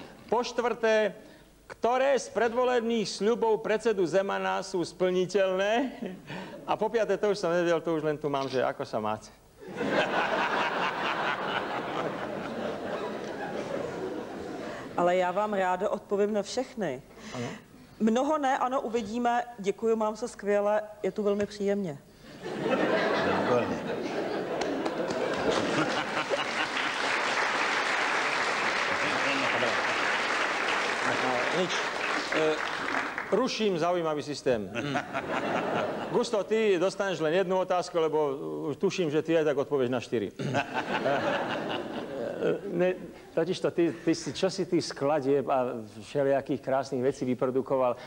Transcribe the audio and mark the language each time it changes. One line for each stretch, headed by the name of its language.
Slovak: Po štvrté, ktoré z predvolebných sľubov predsedu Zemana sú splniteľné? A po piaté, to už som nevedel, to už len tu mám, že ako sa máte?
Czech: Ale já vám ráda odpovím na všechny. Ano. Mnoho ne, ano, uvidíme. Děkuji, mám se skvěle, je tu velmi příjemně. Děkujeme.
Slovak: Ruším zaujímavý systém. Gusto, ty dostaneš len jednu otázku, lebo tuším, že ty aj tak odpověš na 4. Totižto, čo si ty skladieb a všelijakých krásnych vecí vyprodukoval.